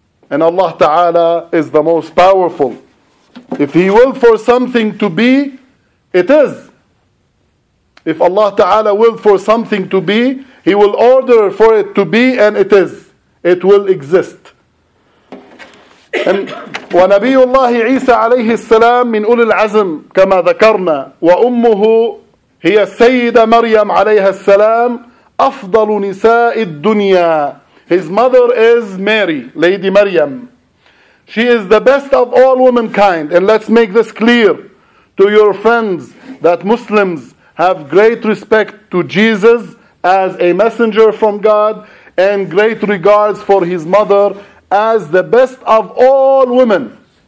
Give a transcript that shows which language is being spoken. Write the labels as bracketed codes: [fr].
[en] And Allah Ta'ala is the most powerful. If he willed for something to be, it is. If Allah Ta'ala willed for something to be, he will order for it to be, and it is. It will exist. [ar] ونبي الله عيسى عليه السلام من أولي العزم كما ذكرنا، وأمه هي السيدة مريم عليها السلام، أفضل نساء الدنيا. [en] His mother is Mary, Lady Maryam. She is the best of all womankind. And let's make this clear to your friends that Muslims have great respect to Jesus as a messenger from God, and great regards for his mother as the best of all women.